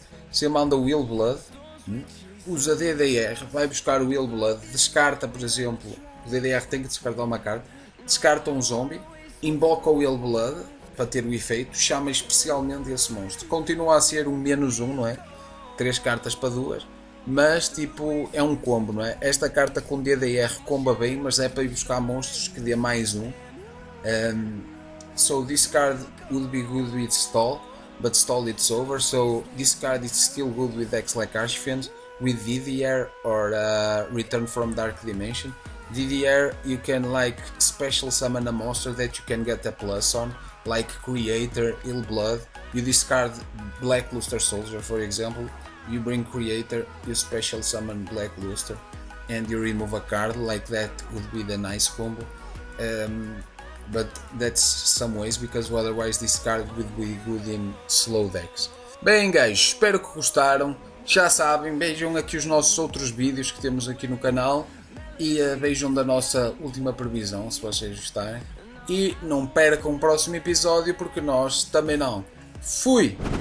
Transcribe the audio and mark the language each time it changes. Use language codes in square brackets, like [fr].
[pt] Você manda o Willblood, usa DDR, vai buscar o Willblood, descarta, por exemplo, o DDR tem que descartar uma carta, descarta um zombie, invoca o Willblood para ter o efeito, chama especialmente esse monstro. Continua a ser um menos um, não é? 3 cartas para 2, mas tipo, é um combo, não é? Esta carta com DDR comba bem, mas é para ir buscar monstros que dê mais um. [en] So this card would be good with stall, but stall it's over. So this card is still good with decks like Archfiend, with DDR or Return from Dark Dimension. DDR, you can like special summon a monster that you can get a plus on, like Creator, Ill Blood. You discard Black Luster Soldier, for example. You bring Creator, you special summon Black Luster, and you remove a card. Like, that would be the nice combo. But that's some ways, because otherwise this card would be good in slow decks. [pt] Bem, guys, espero que gostaram. Já sabem, vejam aqui os nossos outros vídeos que temos aqui no canal. E vejam da nossa última previsão, se vocês gostarem. E não percam o próximo episódio, porque nós também não. Fui!